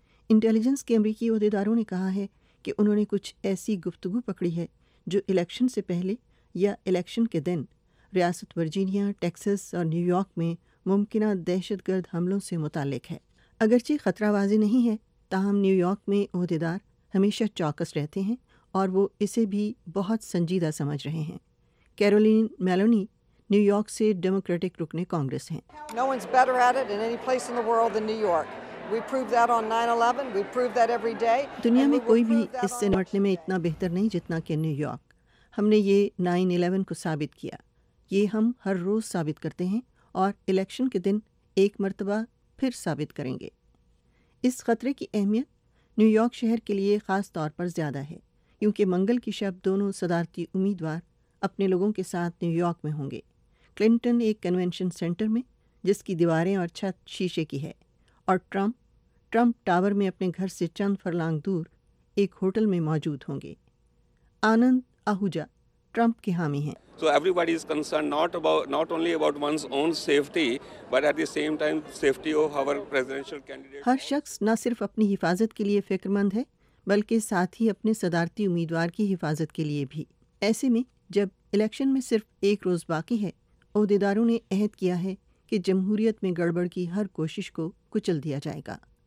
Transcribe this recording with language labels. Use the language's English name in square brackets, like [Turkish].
[Urdu] Intelligence کے امریکی عہدیداروں نے کہا ہے کہ انہوں نے کچھ ایسی گفتگو پکڑی ہے جو الیکشن سے پہلے یا الیکشن کے دن ریاست ورجینیا, ٹیکسس اور نیو یارک میں ممکنہ دہشت گرد حملوں سے متعلق ہے. اگرچہ خطرہ واضح نہیں ہے, تاہم نیو یارک میں عہدیدار ہمیشہ چوکس رہتے ہیں اور وہ اسے بھی بہت سنجیدہ سمجھ رہے ہیں. کیرولین میلونی نیو یارک سے ڈیموکریٹک رکن کانگریس ہیں. [English] No one's better at it in any place in the world than New York. We proved that on 9/11. We proved that every day. [Urdu] دنیا میں کوئی بھی اس سے نمٹنے میں اتنا بہتر نہیں جتنا کہ نیو یارک. ہم نے یہ 9/11 کو ثابت کیا. یہ ہم ہر روز ثابت کرتے ہیں اور الیکشن کے دن ایک مرتبہ پھر ثابت کریں گے. اس خطرے کی اہمیت نیو یارک شہر کے لیے خاص طور پر زیادہ ہے کیونکہ منگل کی شب دونوں صدارتی امیدوار اپنے لوگوں کے ساتھ نیو یارک میں ہوں گے. کلنٹن ایک کنونشن سینٹر میں جس کی دیواریں اور چھت شیشے کی ہے, اور ٹرمپ ٹاور میں اپنے گھر سے چند فرلانگ دور ایک ہوٹل میں موجود ہوں گے. آنند آہوجا ٹرمپ کے حامی ہیں. [English] So everybody is concerned not only about one's own safety but at the same time safety of our presidential candidate. [Urdu] ہر شخص نہ صرف اپنی حفاظت کے لیے فکر مند ہے بلکہ ساتھ ہی اپنے صدارتی امیدوار کی حفاظت کے لیے بھی. ایسے میں جب الیکشن میں صرف ایک روز باقی ہے, عہدیداروں نے عہد کیا ہے کہ جمہوریت میں گڑبڑ کی ہر کوشش کو کچل دیا جائے گا.